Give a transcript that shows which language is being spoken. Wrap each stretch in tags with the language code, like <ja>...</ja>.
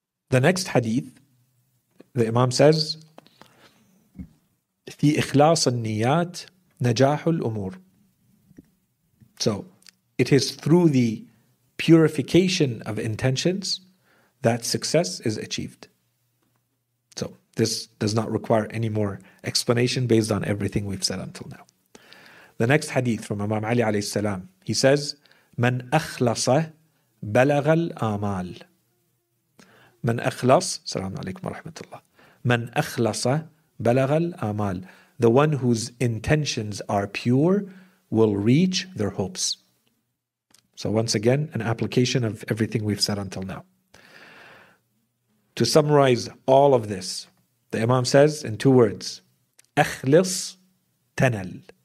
<en>The next hadith, the Imam says,</en> <ar>في إخلاص النيات نجاح الأمور.</ar> <en>So, it is through the purification of intentions that success is achieved. So this does not require any more explanation based on everything we've said until now. The next hadith from Imam Ali alayhi salam, he says,</en> <ar>من أخلص بلغ الآمال. من أخلص, السلام عليكم ورحمة الله. من أخلص بلغ الآمال.</ar> <en>The one whose intentions are pure will reach their hopes. So once again, an application of everything we've said until now. To summarize all of this, the Imam says in two words,</en> <ar>أخلص تنل.</ar>